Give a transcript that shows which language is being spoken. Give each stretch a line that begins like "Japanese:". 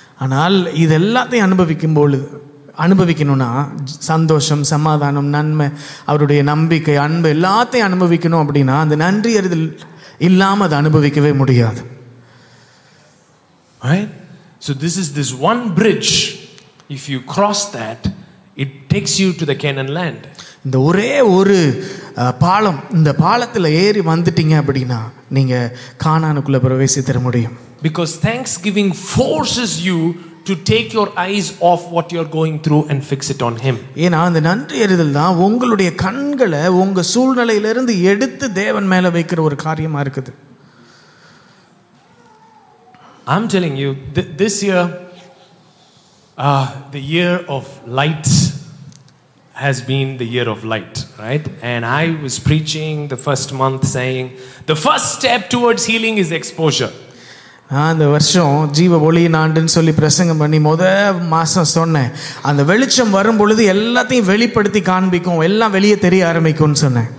Tamil: ஆனால் இதெல்லாத்தையும் அனுபவிக்கும்போது அனுபவிக்கணும்னா சந்தோஷம், சமாதானம், நன்மை, அவருடைய நம்பிக்கை, அன்பு எல்லாத்தையும் அனுபவிக்கணும் அப்படின்னா அந்த நன்றி அறிதல் இல்லாம அதை அனுபவிக்கவே முடியாது.
English: Right? So this is this one bridge. If you cross that, it takes you to the Canaan land.
Tamil: இந்த ஒரே ஒரு பாலம், இந்த பாலத்துல ஏறி வந்துட்டீங்க அப்படினா நீங்க கானானுக்குள்ள பிரவேசித்திர முடியும்.
English: Because thanksgiving forces you to take your eyes off what you are going through and fix it on him.
Tamil: ஏனா அந்த நன்றி அறிதல் தான் உங்களுடைய கண்களை உங்க சூழ்நிலையிலிருந்து எடுத்து தேவன் மேல வைக்கிற ஒரு காரியமா இருக்குது.
English: I'm telling you, this year the year of lights has been the year of light, right? And I was preaching the first month saying the first step towards healing is exposure.
Tamil: அந்த வருஷம் ஜீவ ஒளியின் ஆண்டுன்னு சொல்லி பிரசங்கம் பண்ணி முத மாசம் சொன்னேன், அந்த வெளிச்சம் வரும் பொழுது எல்லாத்தையும் வெளிப்படுத்தி காண்பிக்கும், எல்லாம் வெளியே தெரிய ஆரம்பிக்கும்னு சொன்னேன்.